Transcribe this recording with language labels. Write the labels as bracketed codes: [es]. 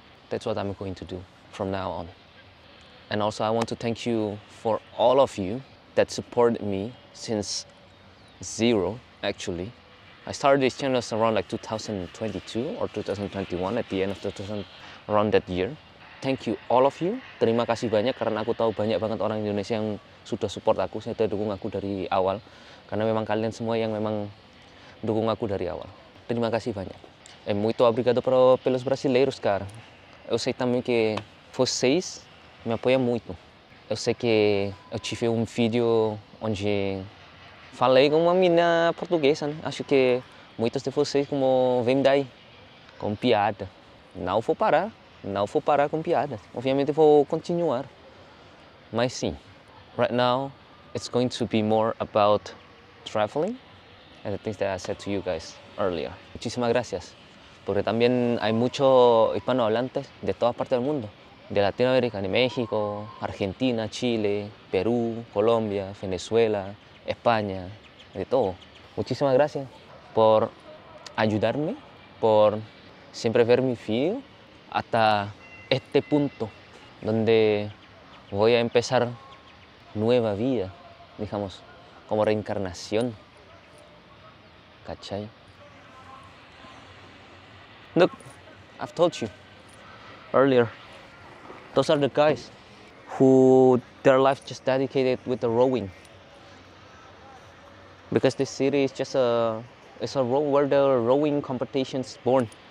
[en] That's what I'm going to do from now on. And also I want to thank you for all of you that supported me since zero, actually. I started this channel around like 2022 or 2021, at the end of around that year. Thank you all of you. [id] Terima kasih banyak karena aku tahu banyak banget orang Indonesia yang sudah support aku, sudah dukung aku dari awal. Karena memang kalian semua yang memang dukung aku dari awal. Terima kasih banyak. [pt] Muito obrigado pelos brasileiros, cara. Eu sei também que vocês me apoiam muito. Eu sei que eu tive vídeo onde falei com uma menina portuguesa, né? Acho que muitos de vocês como vem daí, com piada. Não vou parar com piada. Obviamente vou continuar. [en] my scene. Right now, it's going to be more about traveling and the things that I said to you guys earlier. [es] Muchísimas gracias. Porque también hay muchos hispanohablantes de todas partes del mundo. De Latinoamérica, de México, Argentina, Chile, Perú, Colombia, Venezuela, España, de todo. Muchísimas gracias por ayudarme, por siempre ver mi video hasta este punto donde voy a empezar nueva vida, digamos, como reencarnación. ¿Cachai? [en] Look, I've told you earlier, those are the guys who their life just dedicated with the rowing. Because this city is just it's a row where the rowing competition's born.